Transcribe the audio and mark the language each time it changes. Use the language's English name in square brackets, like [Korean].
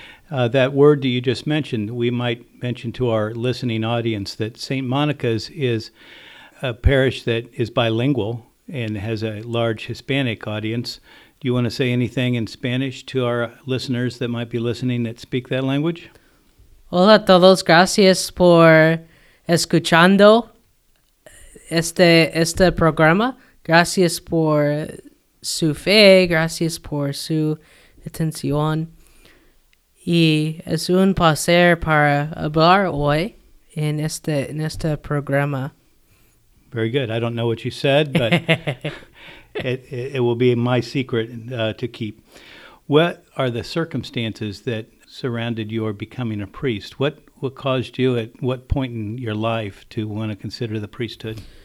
[English] That word that you just mentioned, we might mention to our listening audience that St. Monica's is a parish that is bilingual and has a large Hispanic audience. Do you want to say anything in Spanish to our listeners that might be listening that speak that language? [Spanish] Hola a todos, gracias por escuchando este programa. Gracias por su fe, gracias por su atención. Y es un placer para hablar hoy en este programa. [English] Very good. I don't know what you said, but it will be my secret to keep. What are the circumstances that surrounded your becoming a priest? What caused you at what point in your life to want to consider the priesthood?